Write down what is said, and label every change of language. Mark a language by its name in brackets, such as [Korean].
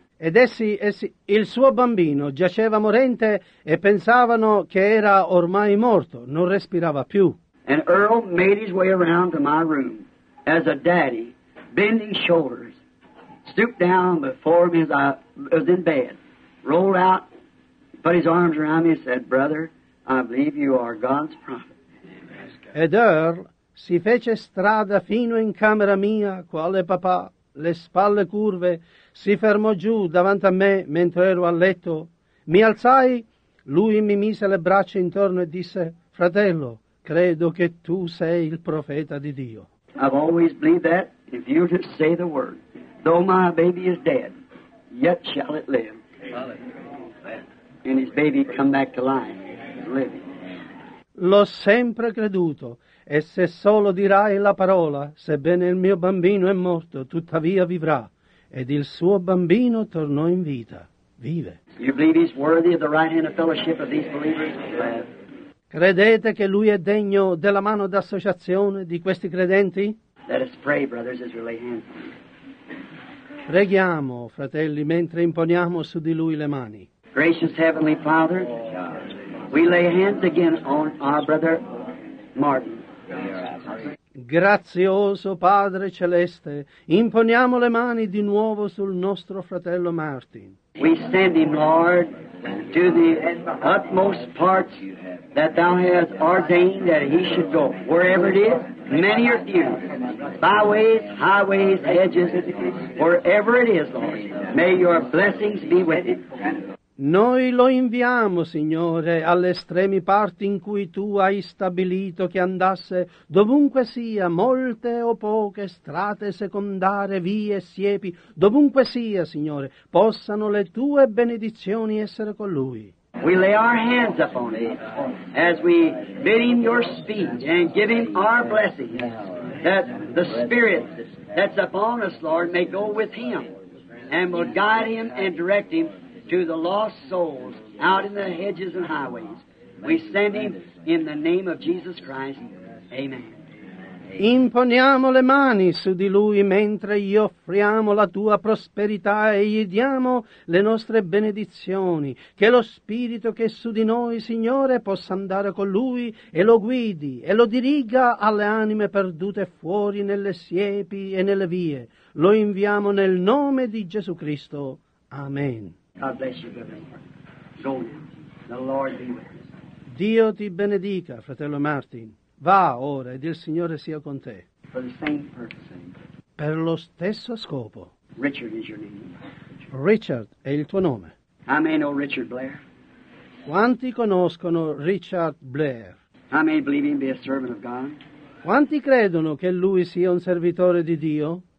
[Italian] Ed essi, il suo bambino giaceva morente e pensavano che era ormai morto, non respirava più. [English] And Earl made his way around to my room as a daddy, bending shoulders, stooped down before me as I was in bed, rolled out, put his arms around me and said, "Brother, I believe you are God's prophet." [Italian] Ed Earl si fece strada fino in camera mia, quale papà, le spalle curve, si fermò giù davanti a me mentre ero a letto. Mi alzai, lui mi mise le braccia intorno e disse, "Fratello, credo che tu sei il profeta di Dio." [English] I've always believed that if you just say the word, though my baby is dead, yet shall it live. And his baby come back to life, living. [Italian] L'ho sempre creduto, e se solo dirai la parola, sebbene il mio bambino è morto, tuttavia vivrà. Ed il suo bambino tornò in vita, vive. [English] You believe he's worthy of the right hand of fellowship of these believers? [Italian] Credete che lui è degno della mano d'associazione di questi credenti? [English] Let us pray, brothers, as we lay hands. [Italian] Preghiamo, fratelli, mentre imponiamo su di lui le mani. [English] Gracious Heavenly Father, we lay hands again on our brother Martin. [Italian] Grazioso Padre Celeste, imponiamo le mani di nuovo sul nostro fratello Martin. [English] We send him, Lord, to the utmost parts that thou hast ordained that he should go, wherever it is, many or few, byways, highways, hedges, wherever it is, Lord, may your blessings be with him. [Italian] Noi lo inviamo, Signore, alle estreme parti in cui Tu hai stabilito che andasse, dovunque sia, molte o poche, strade secondarie, vie, siepi, dovunque sia, Signore, possano le Tue benedizioni essere con Lui. [English] We lay our hands upon Him as we bid Him your speed and give Him our blessings, that the Spirit that's upon us, Lord, may go with Him and will guide Him and direct Him to the lost souls out in the hedges and highways. We send him in the name of Jesus Christ. Amen. [Italian] Imponiamo le mani su di lui mentre gli offriamo la tua prosperità e gli diamo le nostre benedizioni, che lo spirito che è su di noi, Signore, possa andare con lui e lo guidi e lo diriga alle anime perdute fuori nelle siepi e nelle vie. Lo inviamo nel nome di Gesù Cristo. Amen. [English] God bless you, brother. Go now. The Lord be with you. [Italian] Dio ti benedica, fratello Martin. Va ora ed il Signore sia con te. [English] For the same purpose. [Italian] Per lo stesso scopo. [English] Richard is your name. [Italian] Richard è il tuo nome. [English] How many know Richard Blair? [Italian] Quanti conoscono Richard Blair? [English] How many believe him be a servant of God? [Italian] Quanti credono che lui sia un servitore di Dio?